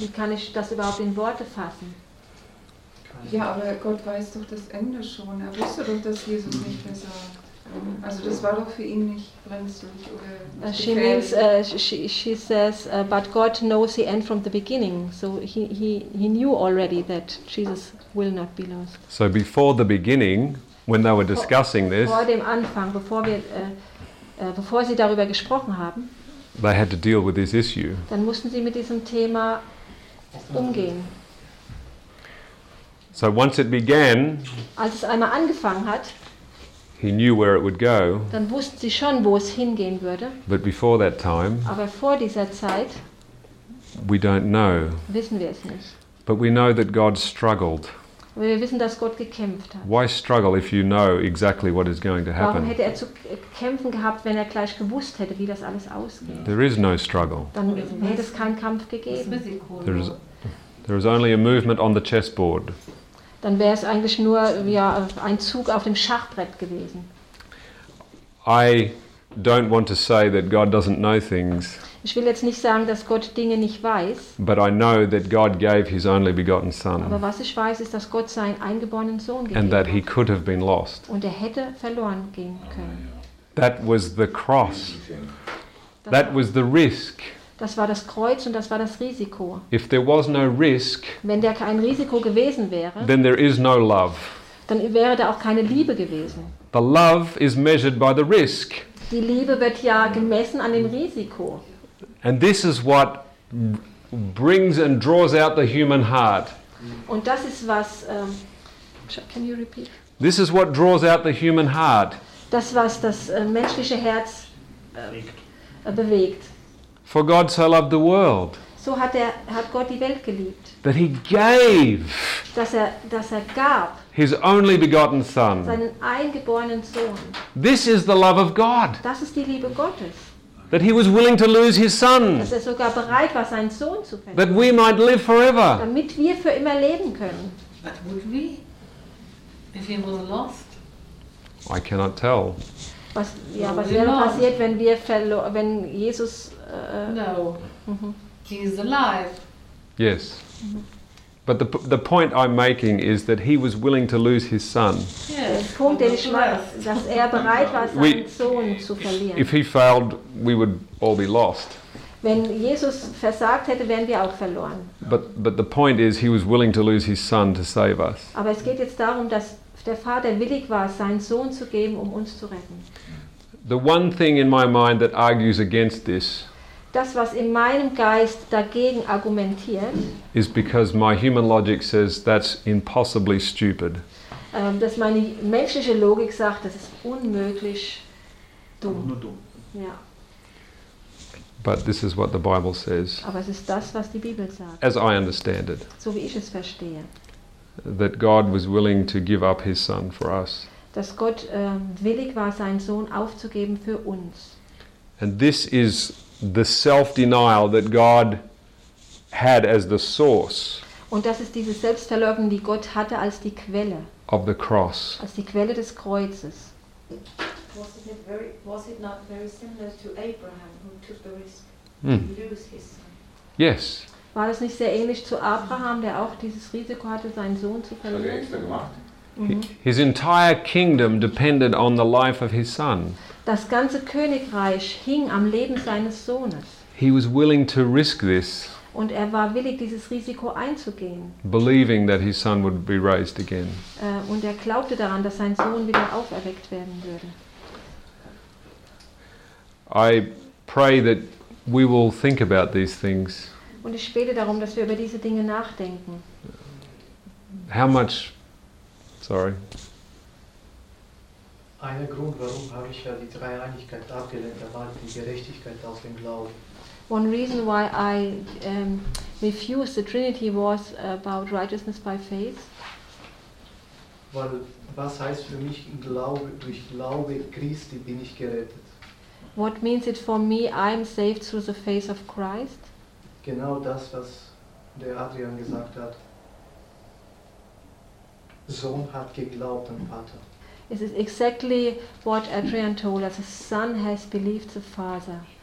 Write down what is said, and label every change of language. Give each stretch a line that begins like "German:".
German: Wie kann ich das überhaupt in Worte fassen? Ja, aber Gott weiß doch das Ende schon. Er wusste doch, dass Jesus nicht mehr sagt. Also das war doch für ihn nicht brenzlig oder nicht gefährlich.
English: She says, but God knows the end from the beginning. So he knew already that Jesus will not be lost. So before the beginning, when they were discussing this,
German: vor dem Anfang, bevor sie darüber gesprochen haben,
English: they had to deal with this issue.
German: Dann mussten sie mit diesem Thema umgehen.
English: So once it began,
German: als es einmal angefangen hat,
English: he knew where it would go.
German: Dann wussten sie schon, wo es hingehen würde.
English: But before that time,
German: aber vor dieser Zeit,
English: we don't know.
German: Wissen wir es nicht.
English: But we know that God struggled.
German: Wir wissen, dass Gott gekämpft hat.
English: Why struggle if you know exactly what is going to happen?
German: Warum hätte er zu kämpfen gehabt, wenn er gleich gewusst hätte, wie das alles ausgeht?
English: There is no struggle.
German: Dann hätte es keinen Kampf gegeben.
English: There is only a movement on the chessboard.
German: Dann wäre es eigentlich nur ja, ein Zug auf dem Schachbrett gewesen.
English: I don't want to say that God doesn't know things.
German: Ich will jetzt nicht sagen, dass Gott Dinge nicht weiß.
English: But I know that God gave his only begotten son.
German: Aber was ich weiß, ist, dass Gott seinen eingeborenen Sohn gegeben hat.
English: And that
German: hat.
English: He could have been lost.
German: Und er hätte verloren gehen können.
English: That was the cross. That was the risk.
German: Das war das Kreuz und das war das Risiko.
English: If there was no risk,
German: wenn da kein Risiko gewesen wäre,
English: then there is no love.
German: Dann wäre da auch keine Liebe gewesen.
English: The love is measured by the risk.
German: Die Liebe wird ja gemessen an dem Risiko.
English: And this is what brings and draws out the human heart.
German: Und das ist was.
English: Can you repeat? This is what draws out the human heart.
German: Das was das menschliche Herz bewegt.
English: For God so loved the world.
German: So hat Gott die Welt geliebt.
English: That he gave.
German: Dass er gab.
English: His only begotten son.
German: Seinen eingeborenen Sohn.
English: This is the love of God.
German: Das ist die Liebe Gottes.
English: That he was willing to lose his son.
German: Dass er sogar bereit war, seinen Sohn zu verlieren.
English: That we might live forever.
German: Damit wir für immer leben können.
English: But would we? If he was lost? I cannot tell.
German: Was wäre passiert, wenn wir wenn Jesus
English: No. He is alive. Yes. Mm-hmm. But the point I'm making is that he was willing to lose his son. Yes.
German: Punkt, den ich mache, dass er bereit war, seinen Sohn zu verlieren.
English: If he failed, we would all be lost.
German: Wenn Jesus versagt hätte, wären wir auch verloren.
English: But the point is, he was willing to lose his son to save us.
German: Aber es geht jetzt darum, dass der Vater willig war, seinen Sohn zu geben, um uns zu retten.
English: The one thing in my mind that argues against this.
German: das, was in meinem Geist dagegen argumentiert,
English: is because my human logic says that's impossibly stupid.
German: Dass meine menschliche Logik sagt, das ist unmöglich dumm. Nur dumm. Ja.
English: But this is what the Bible says.
German: Aber es ist das, was die Bibel sagt.
English: As I understand it.
German: So wie ich es verstehe.
English: That God was willing to give up his son for us.
German: Dass Gott willig war, seinen Sohn aufzugeben für uns.
English: And this is the self-denial that God had as the source.
German: Und das ist diese Selbstverleugnung, die Gott hatte als die Quelle.
English: Of the cross.
German: Als die Quelle des Kreuzes.
English: Yes.
German: War das nicht sehr ähnlich zu Abraham, der auch dieses Risiko hatte, seinen Sohn zu verlieren?
English: His entire kingdom depended on the life of his son.
German: Das ganze Königreich hing am Leben seines Sohnes.
English: He was willing to risk this.
German: Und er war willig, dieses Risiko einzugehen.
English: Believing that his son would be raised again.
German: Und er glaubte daran, dass sein Sohn wieder auferweckt werden würde.
English: I pray that we will think about these things.
German: Und ich bete darum, dass wir über diese Dinge nachdenken. Ein Grund, warum habe ich ja die Dreieinigkeit abgelehnt, da war die Gerechtigkeit aus dem Glauben.
English: One reason why I refused the Trinity was about righteousness by faith.
German: Weil was heißt für mich im Glaube, durch Glaube Christi bin ich gerettet.
English: What means it for me, I'm saved through the faith of Christ?
German: Genau das, was der Adrian gesagt hat. Sohn hat geglaubt an Vater.
English: It is exactly what Adrian told us. The Son has believed the Father.